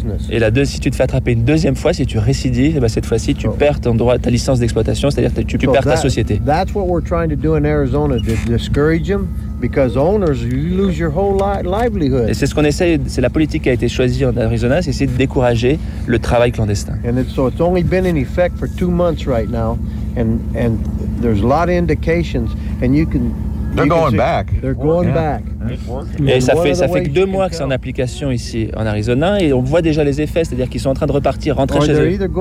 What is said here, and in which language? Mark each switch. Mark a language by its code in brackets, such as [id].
[fr] Et la deuxième, si tu te fais attraper une deuxième fois, si tu récidives, et cette fois-ci, tu perds ton droit, ta licence d'exploitation, c'est-à-dire que tu perds ta société. [en] That's what we're trying to do in Arizona, to discourage them. Because owners, you lose your whole livelihood. [fr] Et c'est ce qu'on essaye, c'est la politique qui a été choisie en Arizona, c'est essayer de décourager le travail clandestin. [en] And it's, so it's only been in effect for 2 months right now, and there's a lot of indications, and you can. [fr] Et ça fait que 2 mois que c'est en application ici en Arizona et on voit déjà les effets, c'est-à-dire qu'ils sont en train de rentrer chez eux.